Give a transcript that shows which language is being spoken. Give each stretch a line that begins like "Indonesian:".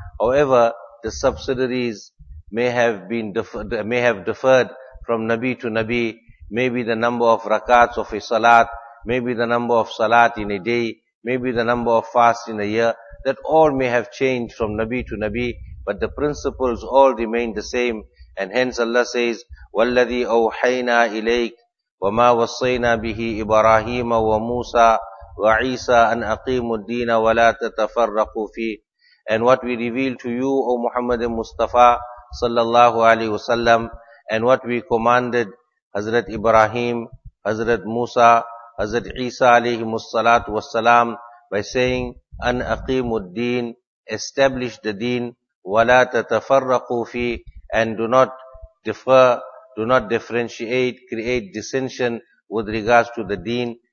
English: However, the subsidiaries may have differed from Nabi to Nabi. Maybe the number of rakats of a salat, maybe the number of salat in a day, maybe the number of fasts in a year. That all may have changed from Nabi to Nabi, but the principles all remain the same. And hence Allah says,
Arabic: وَالَّذِي أَوْحَيْنَا إِلَيْكَ وَمَا وَصَّيْنَا بِهِ إِبْرَاهِيمَ وَمُوسَى وَعِيسَىٰ أَنْ أَقِيمُوا الدِّينَ وَلَا تَتَفَرَّقُوا فِيهِ.
English: And what we reveal to you, O Muhammad Mustafa sallallahu alayhi wa sallam, and what we commanded Hazrat Ibrahim, Hazrat Musa, Hazrat Isa alayhi salatu wa salam, by saying,
Arabic: أَنْ أَقِيمُوا الدِّينَ,
English: establish the deen,
Arabic: وَلَا تَتَفَرَّقُوا فِيهِ,
English: and do not differ, do not differentiate, create dissension with regards to the deen.